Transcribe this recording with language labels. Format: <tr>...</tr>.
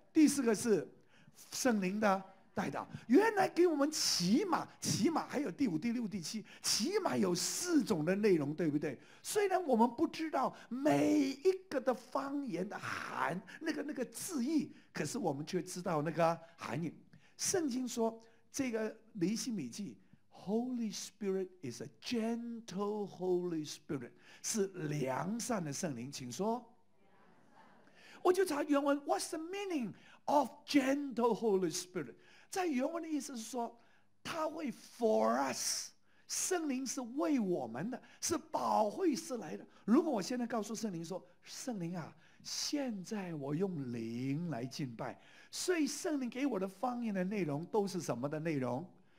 <zh>第四个是圣灵的带导，原来给我们起码起码还有第五、第六、第七，起码有四种的内容，对不对？虽然我们不知道每一个的方言的含那个字义，可是我们却知道那个含义。圣经说，这个尼西米记。</zh> <en>Holy Spirit is a gentle Holy Spirit，</en> <zh>是良善的圣灵，请说。</zh> <en>我就查原文，</en> <zh>What's the meaning of gentle Holy Spirit？在原文的意思是说，他会</zh> <en>for us，</en> <zh>圣灵是为我们的，是保惠师来的。如果我现在告诉圣灵说，圣灵啊，现在我用灵来敬拜，所以圣灵给我的方言的内容都是什么的内容？</zh>